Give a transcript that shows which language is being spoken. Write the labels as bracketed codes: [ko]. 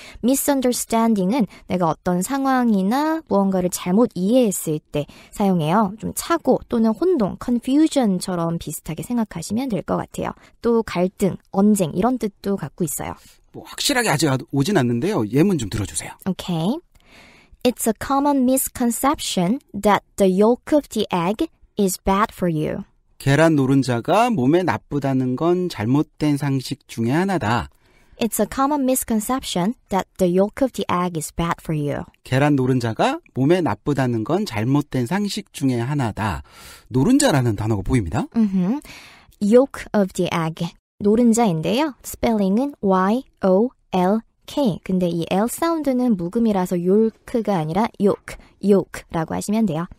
[ko] misunderstanding은 내가 어떤 상황이나 무언가를 잘못 이해했을 때 사용해요. 좀 차고 또는 혼동, confusion처럼 비슷하게 생각하시면 될 것 같아요. 또 갈등, 언쟁 이런 뜻도 갖고 있어요. 뭐 확실하게 아직 오진 않는데요. 예문 좀 들어주세요. [en] Okay. It's a common misconception that the yolk of the egg is bad for you. [ko] 계란 노른자가 몸에 나쁘다는 건 잘못된 상식 중에 하나다. [en] It's a common misconception that the yolk of the egg is bad for you. [ko] 계란 노른자가 몸에 나쁘다는 건 잘못된 상식 중에 하나다. 노른자라는 단어가 보입니다. [en] Mm-hmm. Yolk of the egg. [ko] 노른자인데요. Spelling은 Y-O-L-K. 근데 이 L 사운드는 묵음이라서 yolk가 아니라 yolk, yolk라고 하시면 돼요.